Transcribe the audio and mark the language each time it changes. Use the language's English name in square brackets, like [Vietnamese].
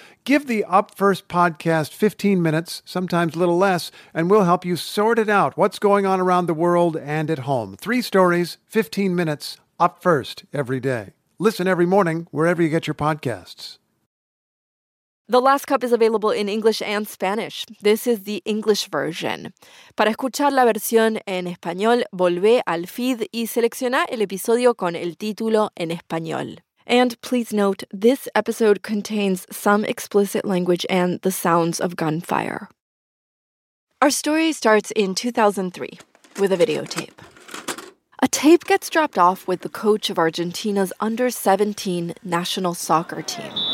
[English] Give the Up First podcast 15 minutes, sometimes a little less, and we'll help you sort it out, what's going on around the world and at home. Three stories, 15 minutes, Up First, every day. Listen every morning, wherever you get your podcasts. The Last Cup is available in English and Spanish. This is the English version. [Spanish] Para escuchar la versión en español, volvé al feed y selecciona el episodio con el título en español. [English] And please note, this episode contains some explicit language and the sounds of gunfire. Our story starts in 2003 with a videotape. A tape gets dropped off with the coach of Argentina's under-17 national soccer team.